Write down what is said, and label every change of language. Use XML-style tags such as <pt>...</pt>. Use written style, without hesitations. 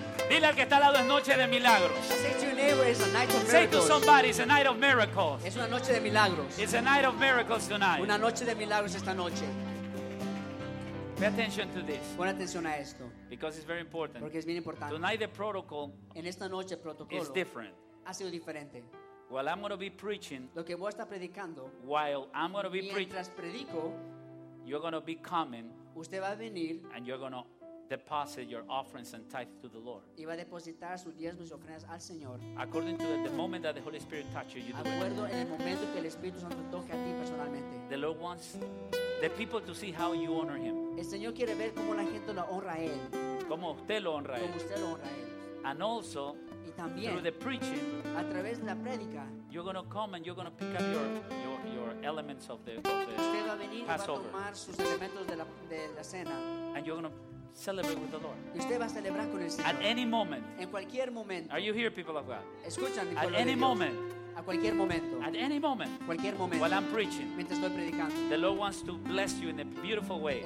<es>Dile al que está al lado, es noche de milagros.</es> <en>Say to your neighbor, it's a night of miracles. Say to somebody, it's a night of miracles.</en> <es>Es una noche de milagros.</es> <en>It's a night of miracles tonight.</en> <es>Una noche de milagros esta noche.</es> <en>Pay attention to this.</en> <es>Pon atención a esto.</es> <en>Because it's very important.</en> <es>Porque es bien importante.</es> <en>Tonight the protocol.</en> <es>En esta noche el protocolo.</es> <en>Is different.</en> <es>Ha sido diferente.</es> <en>While I'm going to be preaching.</en> <es>Lo que voy a estar predicando.</es> <en>While I'm going to be preaching.</en> <es>Mientras predico.</es> <en>You're going to be coming.</en> <es>Usted va a venir.</es> <en>And you're going to deposit your offerings and tithe to the Lord.</en> <es>Iba a depositar sus diezmos y ofrendas al Señor.</es> <en>According to the moment that the Holy Spirit touches you,</en> <es>acuerdo en el momento que el Espíritu Santo toque a ti personalmente.</es> <en>The Lord wants the people to see how you honor Him.</en> <es>El Señor quiere ver cómo la gente lo honra a él. Como usted lo honra a él. Como usted lo honra a él.</es> <en>And also,</en> <es>y también,</es> <en>through the preaching,</en> <es>a través de la prédica,</es> <en>you're going to come and you're going to pick up your elements of the Passover.</en> <es>Usted va a venir y va a tomar sus elementos de la cena.</es> <en>And you're going to celebrate with the Lord.</en> <es>Usted va a celebrar con el Señor.</es> <en>At any moment.</en> <es>En cualquier momento.</es> <en>Are you here, people of God?</en> <es>Escuchan,</es> <en>at any moment.</en> <es>A cualquier momento.</es> <en>At any moment.</en> <es>Cualquier momento.</es> <en>While I'm preaching.</en> <es>Mientras estoy predicando.</es> <en>The Lord wants to bless you in a beautiful way.</en>